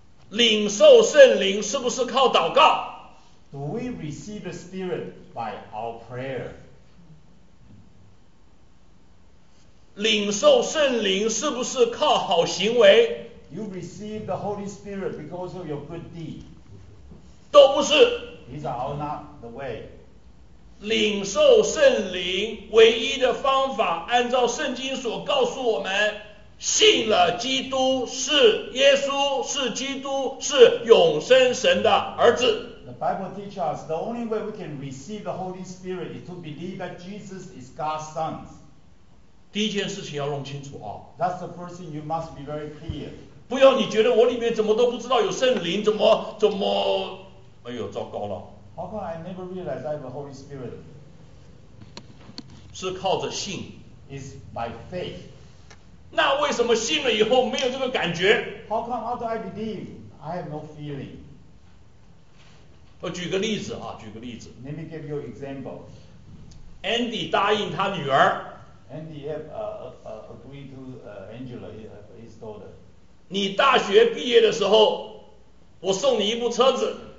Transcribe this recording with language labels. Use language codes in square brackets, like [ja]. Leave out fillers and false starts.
[zh] 领受圣灵是不是靠祷告？ [en] Do we receive the Spirit by our prayer? [zh] 领受圣灵是不是靠好行为？ [en] You receive the Holy Spirit because of your good deed. [zh] 都不是。 [en] These are all not the way. [zh] 领受圣灵唯一的方法，按照圣经所告诉我们，信了基督，是耶稣，是基督，是永生神的儿子。 [en] The Bible teaches us the only way we can receive the Holy Spirit is to believe that Jesus is God's Son. [zh] 第一件事情要弄清楚啊。 [en] That's the first thing you must be very clear. [zh] 不要你觉得我里面怎么都不知道有圣灵，怎么，哎呦，糟糕了。 [en] How come I never realized I have the Holy Spirit? [zh] 是靠着信。 [en] Is by faith. [zh] 那为什么信了以后没有这个感觉？ [en] How come after I believe I have no feeling? [zh] 我举个例子啊，举个例子。 [en] Let me give you an example. [zh] Andy 答应他女儿。 [en] Andy agreed to Angela, his daughter. [zh] 你大学毕业的时候，我送你一部车子。